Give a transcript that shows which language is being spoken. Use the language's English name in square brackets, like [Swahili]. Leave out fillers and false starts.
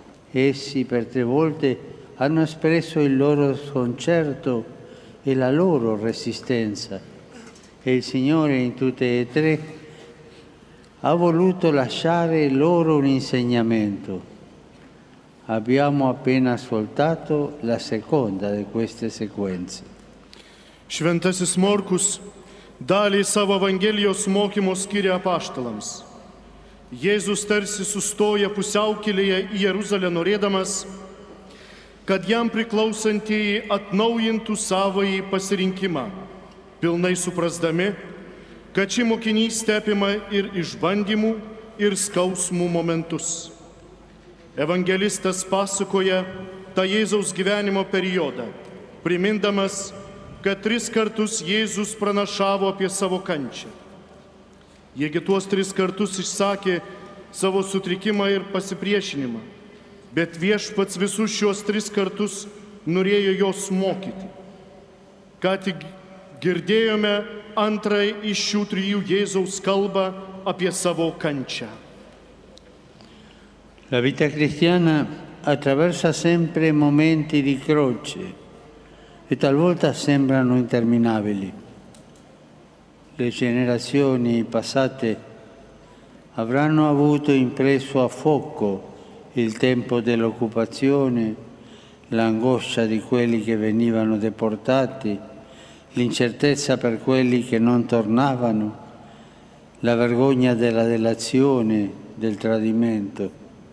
[Italian] Essi per tre volte hanno espresso il loro sconcerto e la loro resistenza, e il Signore in tutte e tre ha voluto lasciare loro un insegnamento. Abbiamo appena ascoltato la seconda di queste sequenze. [Lithuanian] Šventasis Morkus dalį savo Evangelijos mokymo skiria apaštalams. Jėzus tarsi sustoja pusiaukelėje į Jeruzalę, norėdamas, kad jam priklausantieji atnaujintų savąjį pasirinkimą, pilnai suprasdami, kad ši mokinystė apima ir išbandymų, ir skausmų momentus. evangelistas pasakoja tą Jėzaus gyvenimo periodą, primindamas, kad tris kartus Jėzus pranašavo apie savo kančią. Jiegi tuos tris kartus išsakė savo sutrikimą ir pasipriešinimą, bet Viešpats visus šios tris kartus norėjo jos mokyti. Ką tik girdėjome antrąjį iš šių trijų Jėzaus kalbą apie savo kančią. [Italian] La vita cristiana attraversa sempre momenti di croce e talvolta sembrano interminabili. Le generazioni passate avranno avuto impresso a fuoco il tempo dell'occupazione, l'angoscia di quelli che venivano deportati, l'incertezza per quelli che non tornavano, la vergogna della delazione, del tradimento.